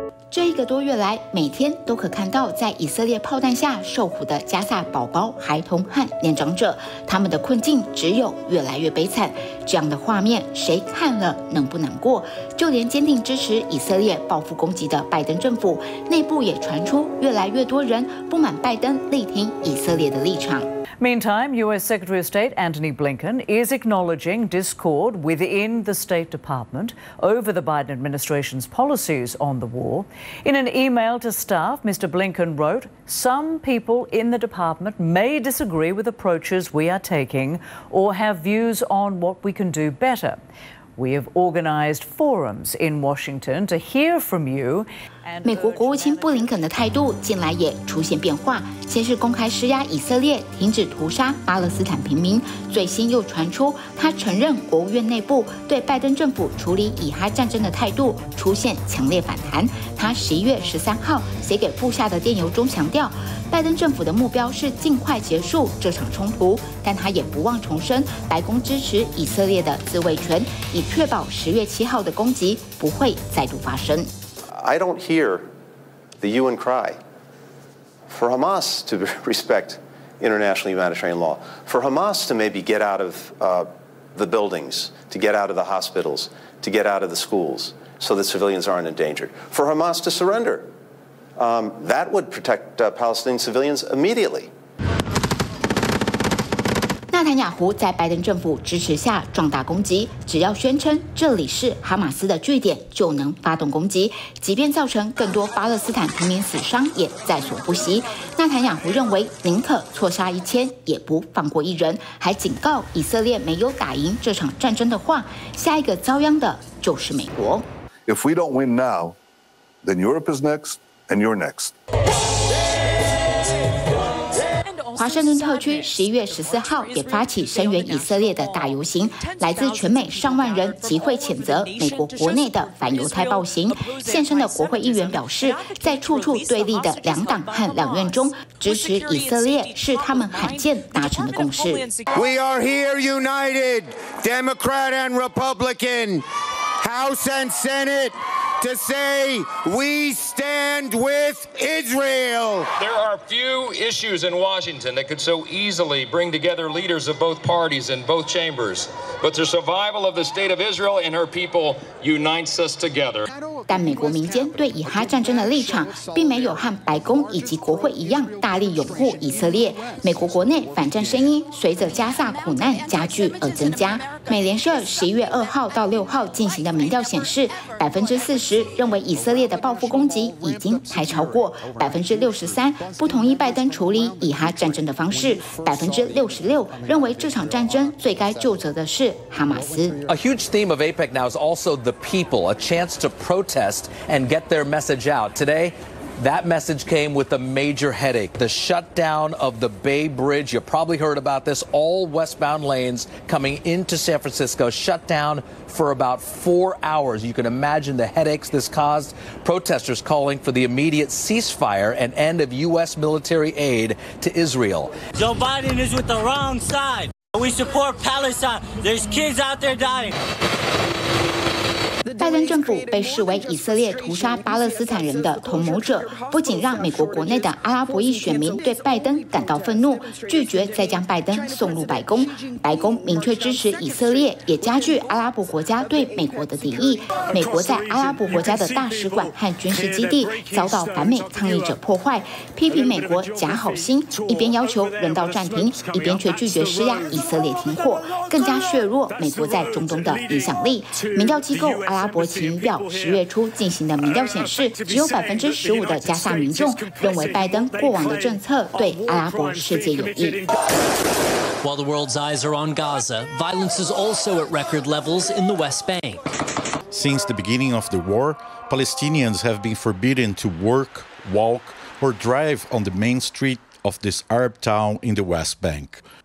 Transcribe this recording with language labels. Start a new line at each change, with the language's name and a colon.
Chinese: 这一个多月来，每天都可看到在以色列炮弹下受苦的加萨宝宝、孩童和年长者，他们的困境只有越来越悲惨。这样的画面，谁看了能不难过？就连坚定支持以色列报复攻击的拜登政府，内部也传出越来越多人不满拜登力挺以色列的立场。
English: Meantime, U.S. Secretary of State Antony Blinken is acknowledging discord within the State Department over the Biden administration's policies on the war. In an email to staff, Mr. Blinken wrote, "Some people in the department may disagree with approaches we are taking or have views on what we can do better. We have organized forums in Washington to hear from you."
Chinese: 美国国务卿布林肯的态度近来也出现变化，先是公开施压以色列停止屠杀巴勒斯坦平民，最新又传出他承认国务院内部对拜登政府处理以哈战争的态度出现强烈反弹。他11月13号写给部下的电邮中强调，拜登政府的目标是尽快结束这场冲突，但他也不忘重申白宫支持以色列的自卫权，以确保10月7号的攻击不会再度发生。
English: I don't hear the UN cry for Hamas to respect international humanitarian law, for Hamas to maybe get out of the buildings, to get out of the hospitals, to get out of the schools so that civilians aren't endangered, for Hamas to surrender. That would protect Palestinian civilians immediately.
Chinese: 纳坦雅胡在拜登政府支持下壮大攻击，只要宣称这里是哈马斯的据点就能发动攻击，即便造成更多巴勒斯坦平民死伤也在所不惜。纳坦雅胡认为宁可错杀1000也不放过一人，还警告以色列没有打赢这场战争的话，下一个遭殃的就是美国。
English: If we don't win now, then Europe is next and you're next.
Chinese: 华盛顿特区11月14号也发起声援以色列的大游行，来自全美上万人集会谴责美国国内的反犹太暴行。现身的国会议员表示，在处处对立的两党和两院中，支持以色列是他们罕见达成的共识。
English: We are here united, Democrat and Republican, House and Senate. To say we stand with Israel. There are few issues in Washington that could so easily bring together leaders of both parties in both chambers. But the survival of the state of Israel and her people unites us together.
Chinese: 但美国民间对以哈战争的立场并没有和白宫以及国会一样大力拥护以色列。美国国内反战声音随着加萨苦难加剧而增加。美联社11月2号到6号进行的民调显示，40%认为以色列的报复攻击已经太超过，63%不同意拜登处理以哈战争的方式，66%认为这场战争最该就责的是哈马斯。
English: A huge theme of APEC now is also the people, a chance to protest and get their message out. Today, that message came with a major headache: the shutdown of the Bay Bridge. You probably heard about this. All westbound lanes coming into San Francisco shut down. For about 4 hours, you can imagine the headaches this caused. Protesters calling for the immediate ceasefire and end of U.S. military aid to Israel. Joe Biden is with the wrong side. We support Palestine. There's kids out there dying.
Chinese: 拜登政府被视为以色列屠杀巴勒斯坦人的同谋者，不仅让美国国内的阿拉伯裔选民对拜登感到愤怒，拒绝再将拜登送入白宫。白宫明确支持以色列，也加剧阿拉伯国家对美国的敌意。美国在阿拉伯国家的大使馆和军事基地遭到反美抗议者破坏，批评美国假好心，一边要求人道暂停，一边却拒绝施压以色列停火，更加削弱美国在中东的影响力。民调机构阿拉伯奇遇表十月初进行的民调显示，只有15%的加萨民众认为拜登过往的政策对阿拉伯世界有益。
English: While the world's eyes are on Gaza, violence is also at record levels in the West Bank. Since the beginning of the war, Palestinians have been forbidden to work, walk, or drive on the main street of this Arab town in the West Bank.